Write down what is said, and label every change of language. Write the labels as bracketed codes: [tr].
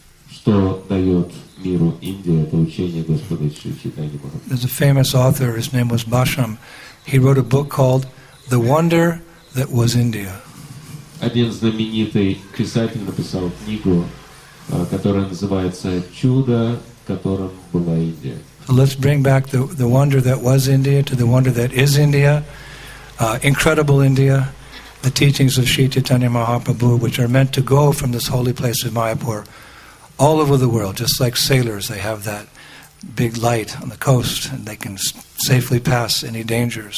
[ru] что дает миру Индия, это учение Господа Шри Чайтанья Махапрабху. [en] There's a famous author, his name was Basham. He wrote a book called The Wonder That Was India. [ru] Один знаменитый писатель написал книгу, которая называется «Чудо, которым была Индия». [en] So let's bring back the wonder that was India to the wonder that is India, incredible India. The teachings of Sri Chaitanya Mahaprabhu, which are meant to go from this holy place of Mayapur all over the world, just like sailors, they have that big light on the coast and they can safely pass any dangers.